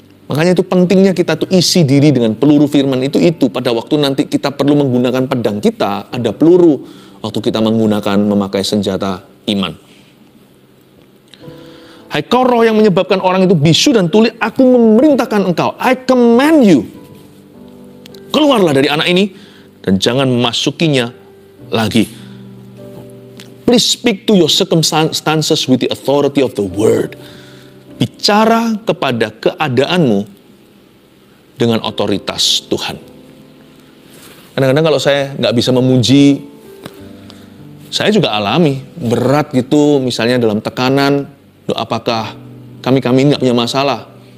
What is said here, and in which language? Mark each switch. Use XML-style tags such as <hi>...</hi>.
<id>Makanya itu pentingnya kita tuh isi diri dengan peluru firman itu. Pada waktu nanti kita perlu menggunakan pedang kita, ada peluru waktu kita menggunakan, memakai senjata iman. Hai kau roh yang menyebabkan orang itu bisu dan tuli, aku memerintahkan engkau.</id> <en>I command you.</en> <id>Keluarlah dari anak ini dan jangan memasukinya lagi.</id> <en>Please speak to your circumstances with the authority of the word.</en> <id>Bicara kepada keadaanmu dengan otoritas Tuhan. Kadang-kadang kalau saya gak bisa memuji, saya juga alami berat gitu, misalnya dalam tekanan. Apakah kami ini gak punya masalah?</id>